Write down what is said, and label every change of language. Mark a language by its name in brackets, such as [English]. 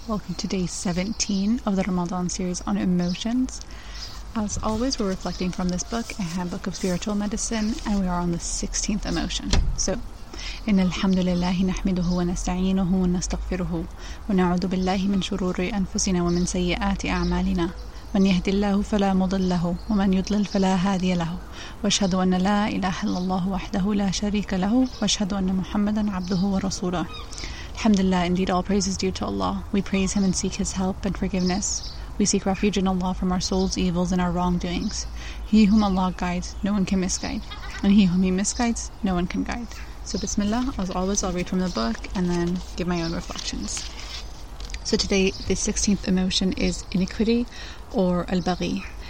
[English] Welcome to day 17 of the Ramadan series on emotions. As always, we're reflecting from this book, a handbook of spiritual medicine, and we are on the 16th emotion. [Arabic] So, إن الحمد لله نحمده ونستعينه ونستغفره ونعوذ بالله من شرور أنفسنا ومن سيئات أعمالنا من يهدي الله فلا مضل له ومن يضلل فلا هادي له وأشهد أن لا إله إلا الله وحده لا شريك له وأشهد أن محمدا عبده ورسوله [English] Alhamdulillah, indeed all praise is due to Allah. We praise Him and seek His help and forgiveness. We seek refuge in Allah from our soul's evils and our wrongdoings. He whom Allah guides, no one can misguide. And he whom He misguides, no one can guide. So Bismillah, as always, I'll read from the book and then give my own reflections. So today, the 16th emotion is iniquity or al-baghi.